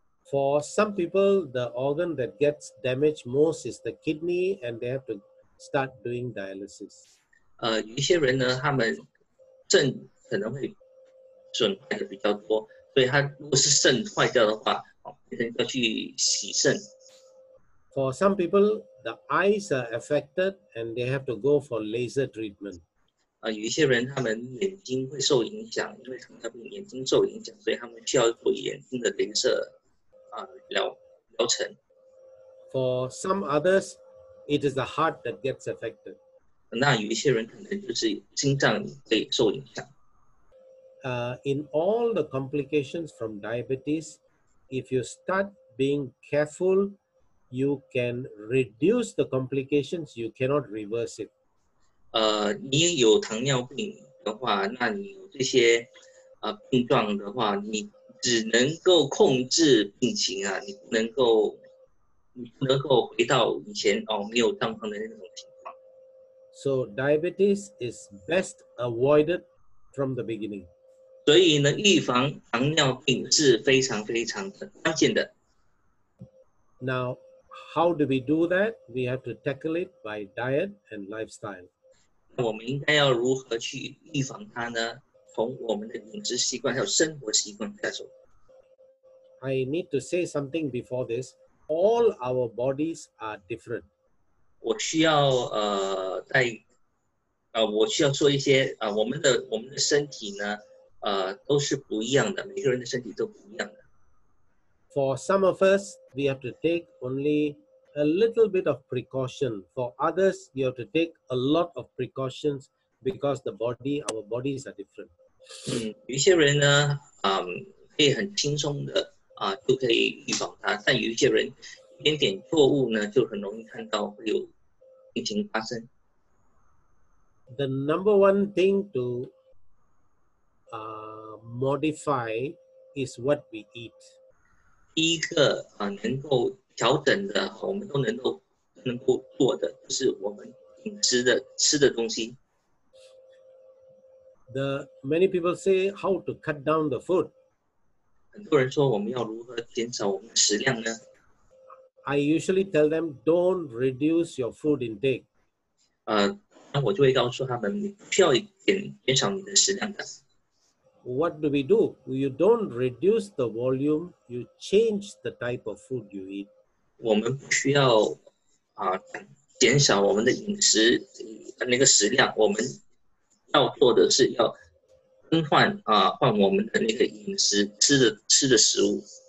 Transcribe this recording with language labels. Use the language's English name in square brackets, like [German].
[English] For some people, the organ that gets damaged most is the kidney, and they have to start doing dialysis. [Chinese] 有些人呢，他们肾可能会损坏的比较多，所以他如果是肾坏掉的话，医生要去洗肾。 [English] For some people, the eyes are affected, and they have to go for laser treatment. [Chinese] 有些人他们眼睛会受影响，因为糖尿病眼睛受影响，所以他们需要做眼睛的镭射。疗程 [English] For some others, it is the heart that gets affected. [Chinese] 那有一些人可能就是心脏被受影响。 [English] In all the complications from diabetes, if you start being careful, you can reduce the complications. You cannot reverse it. [Chinese] 你有糖尿病的话，那你有这些病状的话，你只能够控制病情啊，你不能够回到以前没有状况的那种情况。 [English] So diabetes is best avoided from the beginning. [Chinese] 所以呢，预防糖尿病是非常非常的关键的。 [English] Now, how do we do that? We have to tackle it by diet and lifestyle. [Chinese] 我们应该要如何去预防它呢？从我们的饮食习惯还有生活习惯下手。 [English] I need to say something before this. All our bodies are different. [Chinese] 我需要在我需要说一些我们的身体呢都是不一样的，每个人的身体都不一样的。 [English] For some of us, we have to take only a little bit of precaution. For others, you have to take a lot of precautions because our bodies are different. [Chinese] 有些人呢，可以很轻松的就可以预防它，但有一些人一点点错误呢，就很容易看到会有病情发生。 [English] The number one thing to modify is what we eat. [Chinese] 第一个能够调整的，我们都能够做的，就是我们饮食的吃的东西。 [English] The many people say how to cut down the food. [Chinese] 很多人说我们要如何减少我们食量呢 [English] ？I usually tell them don't reduce your food intake. [Chinese] 那我就会告诉他们，你不需要减少你的食量的。 [English] What do we do? You don't reduce the volume, you change the type of food you eat. [Chinese] 我们不需要减少我们的饮食那个食量，我们要做的是要更换换我们的那个饮食吃的食物。